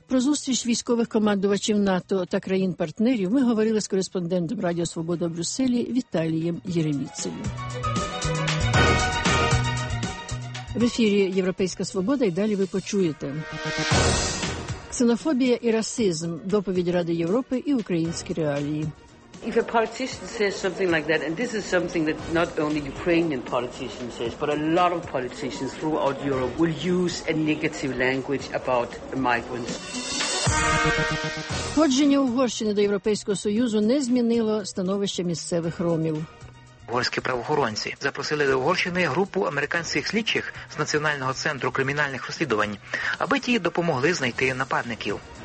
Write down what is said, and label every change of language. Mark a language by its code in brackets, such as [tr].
[uk] Про зустріч військових командувачів НАТО та країн-партнерів ми говорили з кореспондентом Радіо Свобода в Брюсселі Віталієм Єреміцею. В ефірі «Європейська свобода» і далі ви почуєте. Ксенофобія і расизм. Доповідь Ради Європи і українські реалії. [en] If a politician says something like that, and this is something that not only Ukrainian politicians says, but a lot of politicians throughout Europe will use a negative language about migrants. [uk] Входження Угорщини до Європейського Союзу не змінило становище місцевих ромів. Угорські правоохоронці запросили до Угорщини групу американських слідчих з Національного центру кримінальних розслідувань, аби ті допомогли знайти нападників.